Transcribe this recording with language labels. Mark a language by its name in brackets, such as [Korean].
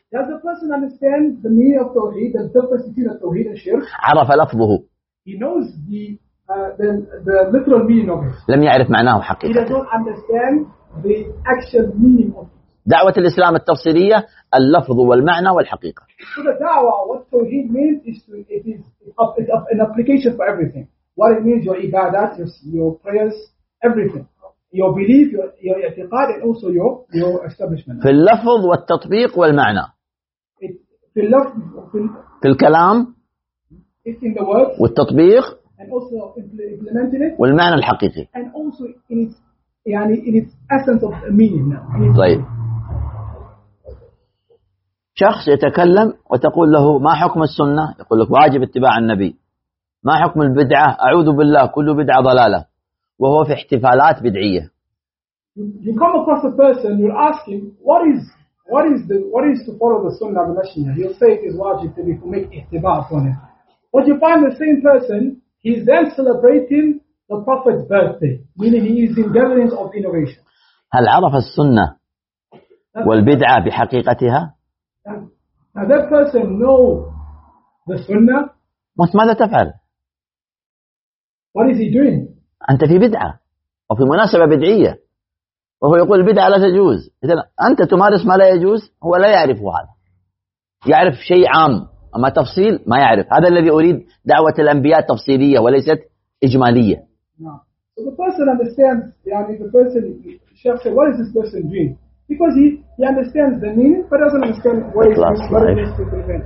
[English] Does the person understand the meaning of Tawheed, the difference between the Tawheed and Shirk? [Arabic] عرف لفظه. [English] He knows the literal meaning of it. [Arabic] لم يعرف معناه حقيقة. [English] He does not understand the actual meaning of it. [Arabic] دعوة الإسلام التفصيلية اللفظ والمعنى والحقيقة. [English] So the da'wah, what Tawheed means is to, it is an application for everything. What it means, your ibadat, your prayers, everything. Your belief, your i'tiqad, and also your establishment. [Arabic] في اللفظ والتطبيق والمعنى. في اللفظ. في الكلام. [English] It's in the words. [Arabic] والتطبيق. [English] And also implementing it. [Arabic] والمعنى الحقيقي. [English] And also in its, يعني in its essence of meaning now. [Arabic] طيب. شخص يتكلم وتقول له ما حكم السنة؟ يقول لك واجب اتباع النبي. ما حكم البدعة؟ أعوذ بالله كل بدعة ضلالة. وهو في احتفالات بدعية. [English] You come across a person, you ask him, what is to follow the sunnah of the Messenger? He'll say it is wajib to make ihtibat on it. But you find the same person, he's then celebrating the Prophet's birthday, meaning he is in gatherings of innovation. [Arabic] هل عرف السنة والبدعة بحقيقتها؟ [English] Now that person know the sunnah. [Arabic] ماذا تفعل؟ [English] What is he doing? [Arabic] أنت في بدعة وفي مناسبة بدعية وهو يقول البدعة لا تجوز. إذن أنت تمارس ما لا يجوز. هو لا يعرف هذا, يعرف شيء عام أما تفصيل ما يعرف. هذا الذي أريد, دعوة الأنبياء تفصيلية وليست إجمالية. [English] So the person understands, يعني the person, الشيخ said, what is this person doing? Because he understands the meaning but doesn't understand what it means, what it means to prevent.